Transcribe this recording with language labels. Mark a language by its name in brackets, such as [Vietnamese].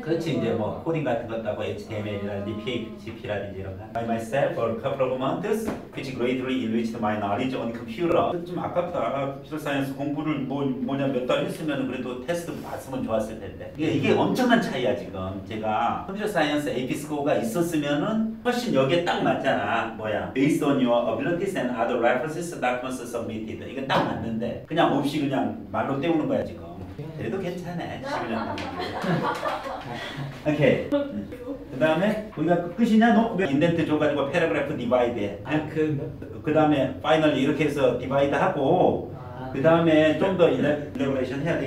[Korean] 그렇지 이제 뭐 코딩 같은 것다고 HTML이라든지 PHP라든지 이런 거. [English] By myself for a couple of months, which greatly enriched my knowledge on computer. [Korean] 좀 아깝다. 컴퓨터 사이언스 공부를 뭐냐 몇 달 했으면 그래도 테스트 봤으면 좋았을 텐데. 이게 엄청난 차이야 지금. 제가 컴퓨터 사이언스 AP 스코어가 있었으면 훨씬 여기에 딱 맞잖아. 뭐야. [English] Based on your abilities and other references documents submitted. [Korean] 이거 딱 맞는데. 그냥 없이 그냥 말로 때우는 거야 지금. 그래도 괜찮아. 11년 동안. 오케이. 그 다음에 우리가 끝이냐? 너? 인덴트 줘가지고 패러그래프 디바이드 해. 아, 그... 그 다음에 파이널 이렇게 해서 디바이드 하고 그 다음에 좀 더 일레버레이션 해야 돼.